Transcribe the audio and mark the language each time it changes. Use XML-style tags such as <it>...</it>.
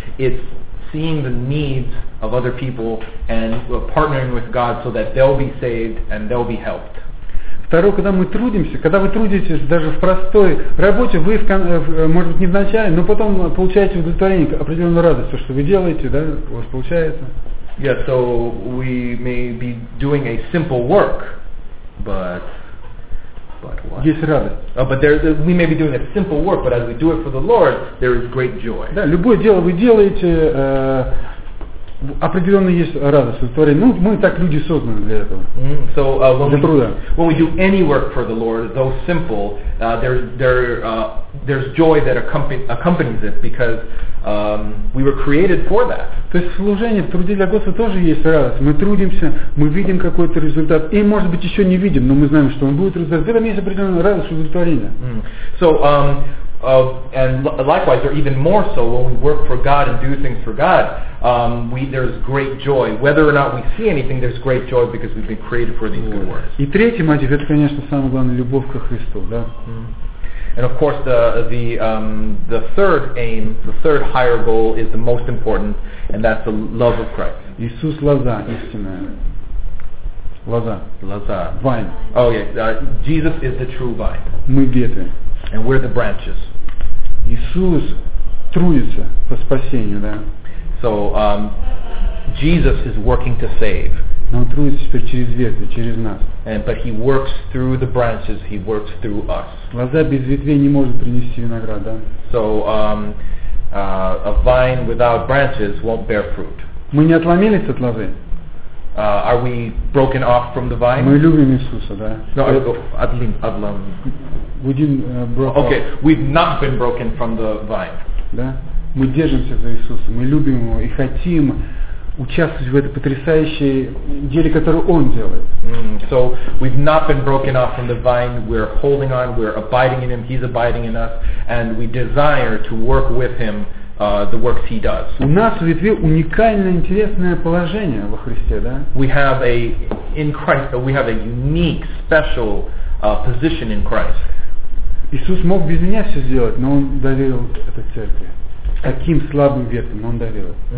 <en>It's seeing the needs of other people and partnering with God so that they'll be saved and they'll be helped.</en> <ru>Второе, когда мы трудимся, когда вы трудитесь даже в простой работе, вы, может быть, не вначале, но потом получаете удовлетворение, определенную радость, то, что вы делаете, да, у вас получается.</ru> <en>Yeah, so we may be doing a simple work, but what?</en> <ru>Есть радость.</ru> <en>Oh, but we may be doing a simple work, but as we do it for the Lord, there is great joy.</en> <ru>Да, любое дело вы делаете, Определенно есть радость в творении. Ну, мы так люди созданы для этого. Mm-hmm. So, для труда.</ru> <en>When we do any work for the Lord, though simple, there's joy that accompanies it, because we were created for that.</en> <ru>То есть служение в труде для Господа тоже есть радость. Мы трудимся, мы видим какой-то результат, и может быть еще не видим, но мы знаем, что он будет результат. В этом есть определенная радость удовлетворения. Mm-hmm.</ru> <en>So, and likewise, or even more so, when we work for God and do things for God, there's great joy. Whether or not we see anything, there's great joy because we've been created for these good works.</en> <ru>И третий мотив, это, конечно, самый главный, любовь ко Христу, да?</ru> <en>And of course, the third aim, the third higher goal, is the most important, and that's the love of Christ.</en> <ru>Иисус лоза, истинная. Лоза. Лоза.</ru> <en>Vine. Oh yeah, Jesus is the true vine.</en> <ru>Мы ветви.</ru> <en>And we're the branches.</en> <ru>Иисус трудится по спасению, да?</ru> <en>So Jesus is working to save.</en> <ru>Но он трудится теперь через ветви, через нас.</ru> <en>But he works through the branches. He works through us.</en> <ru>Лоза без ветвей не может принести виноград, да?</ru> <en>So a vine without branches won't bear fruit.</en> <ru>Мы не отломились от лозы.</ru> <en>Are we broken off from the vine?</en> <ru>Мы любим Иисуса, да?</ru> <en>No, I love. We didn't broke. Okay, we've not been broken from the vine.</en> <ru>Да? Мы держимся за Иисуса, мы любим Его и хотим участвовать в этой потрясающей деле, которую Он делает.</ru> <en>So we've not been broken off from the vine. We're holding on. We're abiding in Him. He's abiding in us, and we desire to work with Him. The works he does.</en> <ru>У нас в ветви уникальное интересное положение во Христе, да?</ru> <en>We have a unique, special position in Christ.</en> <ru>Иисус мог без меня все сделать, но он доверил это церкви. Таким слабым ветвям он доверил.</ru>